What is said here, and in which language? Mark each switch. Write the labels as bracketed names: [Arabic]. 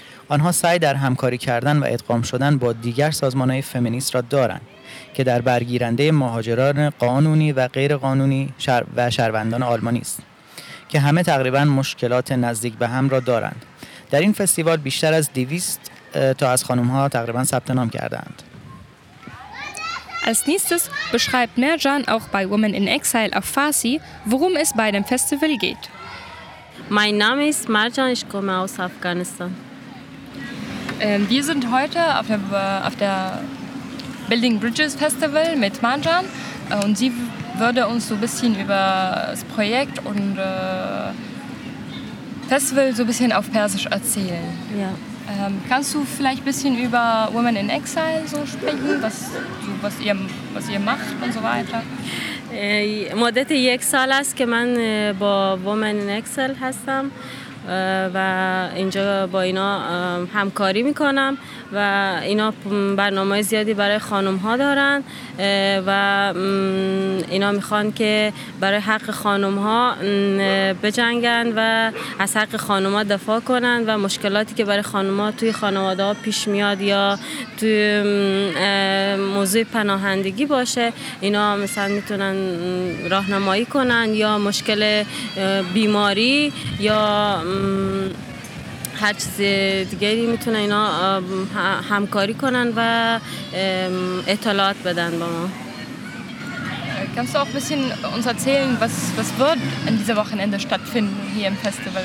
[Persian] آنها سعی در همکاری کردن و ادغام شدن با دیگر سازمان‌های فمینیست را دارند که در برگیرنده مهاجران قانونی و غیر قانونی و شهروندان آلمانی است که همه تقریبا مشکلات نزدیک به هم را دارند. در این فستیوال بیشتر از 200 تا از خانم ها تقریبا ثبت نام کردند. [German] Als nächstes beschreibt Merjan auch bei Women in Exile auf Farsi, worum es bei dem Festival geht. Mein Name ist Merjan, ich komme aus Afghanistan. Wir sind heute auf der Building Bridges Festival mit Merjan und sie würde uns so ein bisschen über das Projekt und Festival so ein bisschen auf Persisch erzählen. Ja. Kannst du vielleicht ein bisschen über Women in Exile so sprechen, was ihr macht und so weiter? [Persian] مدت یک سال است که من با Women in Exile هستم و اینجا با اینا همکاری میکنم و اینا برنامه زیادی برای خانم ها دارن و اینا میخوان که برای حق خانم ها بجنگن و از حق خانم ها دفاع کنن و مشکلاتی که برای خانم ها توی خانواده ها پیش میاد یا توی موضوع پناهندگی باشه اینا مثلا میتونن راهنمایی کنن یا مشکل بیماری یا هر چیز دیگری میتونه اینا همکاری کنن و اطلاعات بدن با ما. [German] Kannst du auch ein bisschen uns erzählen, was wird in dieser Wochenende stattfinden hier im Festival?